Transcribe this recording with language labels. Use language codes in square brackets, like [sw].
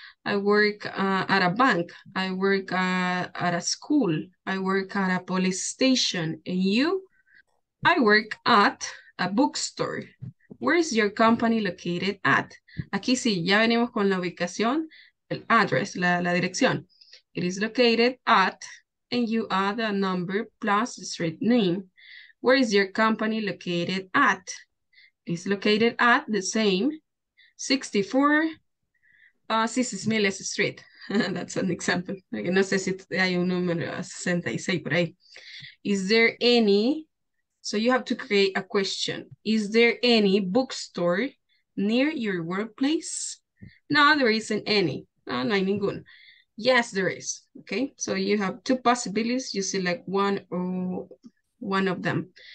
[en] I work at a bank. I work at a school. I work at a police station. And you? I work at a bookstore. Where is your company located at? [es] Aquí sí, ya venimos con la ubicación, el address, la dirección. [en] It is located at, and you add the number plus street name. Where is your company located at? It is located at the same 64 Mrs. Miles Street. That's an example. [es] Okay, no sé si hay un número 66 por ahí. [en] Is there any, so you have to create a question. Is there any bookstore near your workplace? No, there isn't any. [es] No, no hay ninguno. [en] Yes, there is. Okay, so you have two possibilities. You select one or one of them.